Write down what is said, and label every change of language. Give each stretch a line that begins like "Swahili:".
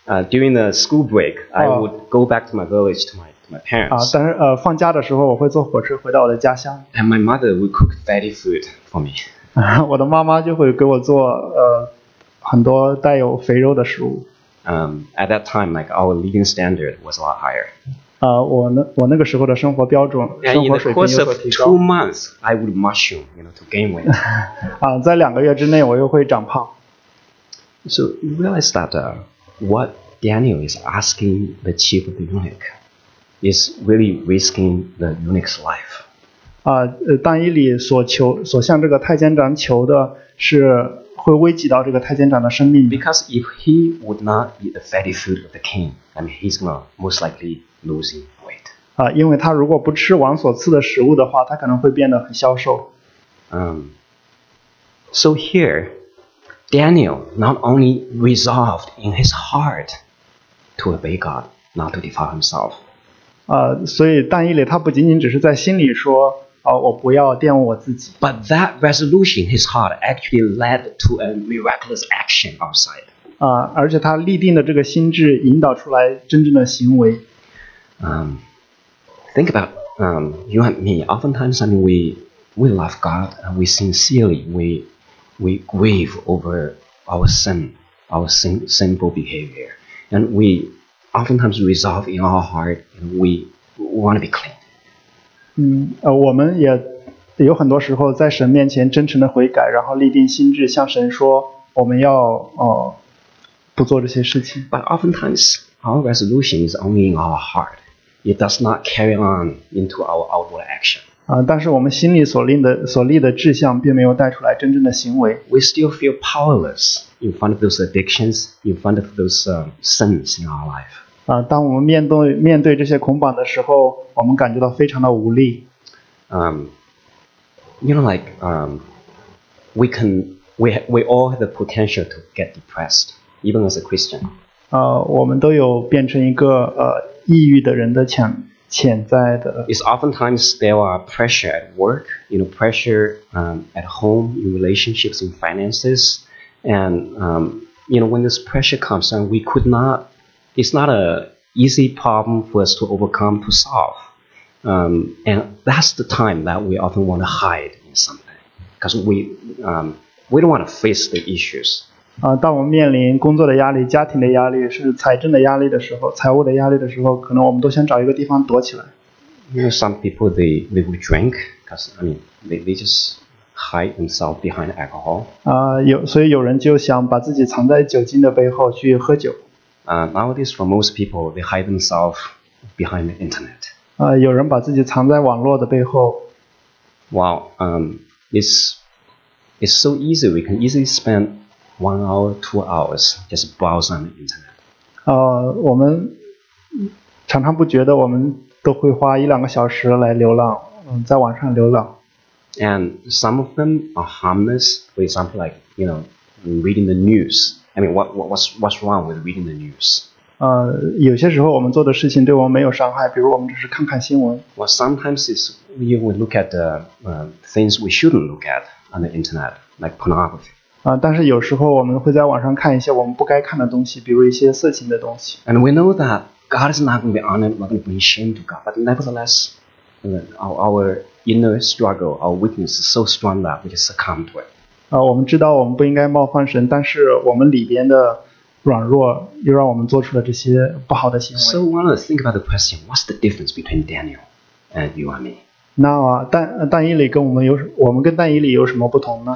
English: During the school break, I would go back to my village to my parents.
Chinese: 但是放假的时候，我会坐火车回到我的家乡。
English: And my mother would cook fatty food for me.
Chinese: 我的妈妈就会给我做很多带有肥肉的食物。
English: At that time, like our living standard was a lot higher.
Chinese: 我那个时候的生活标准，生活水平有所提高。
English: And in the course of 2 months, I would mushroom, you know, to gain weight.
Chinese: 在两个月之内，我又会长胖。
English: So you realize that what Daniel is asking the chief of the eunuch is really risking the eunuch's life.
Chinese: 但以理所向这个太监长求的是会危及到这个太监长的生命。
English: Because if he would not eat the fatty food of the king, I mean he's gonna most likely losing weight.
Chinese: 因为他如果不吃王所赐的食物的话，他可能会变得很消瘦。
English: So here. Daniel not only resolved in his heart to obey God, not to defile himself.
Chinese: 所以但以理他不仅仅只是在心里说，我不要玷污我自己。
English: But that resolution in his heart actually led to a miraculous action outside.
Chinese: 而且他立定的这个心智引导出来真正的行为。
English: Think about you and me. Oftentimes, I mean, we love God and we sincerely we grieve over our sin, our sinful behavior, and we oftentimes resolve in our heart, and we want to be clean.
Chinese: 我们也有很多时候在神面前真诚的悔改，然后立定心志向神说，我们要不做这些事情。
English: But oftentimes our resolution is only in our heart; it does not carry on into our outward action.
Chinese: 但是我们心里所立的志向并没有带出来真正的行为。
English: We still feel powerless in front of those addictions, in front of those sins in our life.
Chinese: 当我们面对这些捆绑的时候，我们感觉到非常的无力。
English: You know, like, we all have the potential to get depressed, even as a Christian.
Chinese: 我们都有变成一个抑郁的人的潜在的。
English: It's oftentimes there are pressure at work, you know, pressure at home, in relationships, in finances, and you know, when this pressure comes on, we could not, it's not an easy problem for us to overcome, to solve. And that's the time that we often want to hide in something, because we don't want to face the issues.
Chinese: 当我们面临工作的压力、家庭的压力，甚至财政的压力的时候、财务的压力的时候，可能我们都想找一个地方躲起来。
English: You know, some people they would drink, because I mean they just hide themselves behind alcohol.
Chinese: 所以有人就想把自己藏在酒精的背后去喝酒。
English: Nowadays for most people they hide themselves behind the internet.
Chinese: 有人把自己藏在网络的背后。
English: Wow, it's so easy. We can easily spend1 hour, 2 hours, just browse on the internet.
Chinese: 我们常常不觉得我们都会花一两个小时来流浪，在网上流浪。
English: And some of them are harmless. For example, like you know, reading the news. I mean, what's wrong with reading the news?
Chinese: 有些时候我们做的事情对我们没有伤害，比如我们只是看看新闻。
English: Well, sometimes it's even we look at the things we shouldn't look at on the internet, like pornography.
Chinese: 但是有时候我们会在网上看一些我们不该看的东西，比如一些色情的东西。
English: And we know that God is not going to be honored, we're going to bring shame to God. But nevertheless, our inner struggle, our weakness is so strong that we just succumb to it.
Chinese: 我们知道我们不应该冒犯神，但是我们里边的软弱又让我们做出了这些不好的行为。
English: So one of the think about the question, what's the difference between Daniel and you and me?
Chinese: 那但以理跟我们有什么不同呢?